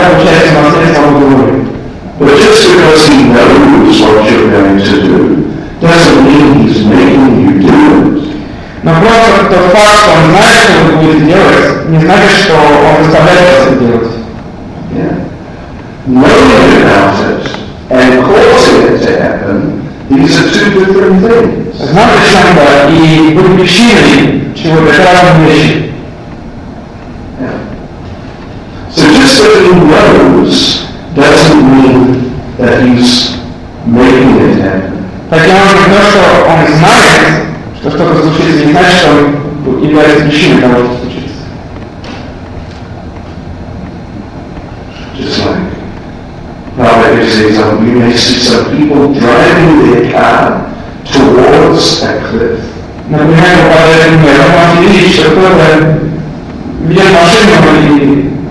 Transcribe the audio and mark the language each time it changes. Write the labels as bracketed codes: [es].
[en] But just because he knows what you're going to do, doesn't mean he's making you do it. [ru] Но просто тот факт, что он знает, что он будет делать, не значит, что он заставляет вас это делать. [en] Knowing about it and causing it to happen, these are two different things. [ru] Знать о чем-то и быть причиной чего-то, это разные вещи. [en] So just that he knows doesn't mean that he's making it happen. [ru] Так я вам что он знает, что что-то случится, не знает, что он является причиной того, что случится. [en] Just like Prabhupada gives the example, you may see some people driving their car towards a cliff. [ru] Например, Прабхупада может видеть, что кто-то ведет машину или